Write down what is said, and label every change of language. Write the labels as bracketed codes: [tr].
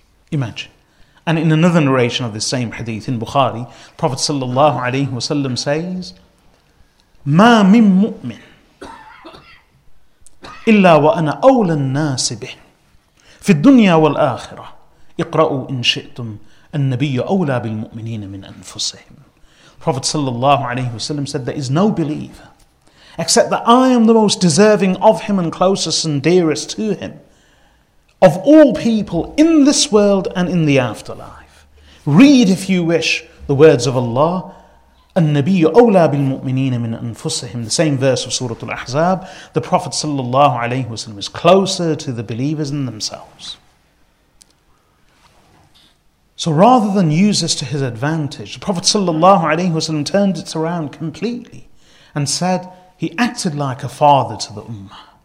[en] Imagine. And in another narration of this same hadith in Bukhari, Prophet sallallahu alayhi wasallam says, [ar] مَا مِن مُؤْمِنٍ إِلَّا وَأَنَا أَوْلَى النَّاسِ بِهِ فِي الدُّنْيَا وَالْآخِرَةِ اِقْرَأُوا إِنْ شِئْتُمْ النَّبِيُّ أَوْلَى بِالْمُؤْمِنِينَ مِنْ أَنفُسِهِمْ. [en] Prophet sallallahu alayhi wasallam said, there is no believer except that I am the most deserving of him and closest and dearest to him of all people in this world and in the afterlife. Read if you wish the words of Allah, [ar] النبي أولى بالمؤمنين من أنفسهم. [en] The same verse of Surah Al-Ahzab. The Prophet sallallahu alayhi wasallam is closer to the believers than themselves. So rather than use this to his advantage, the Prophet sallallahu alayhi wasallam turned it around completely and said he acted like a father to the ummah.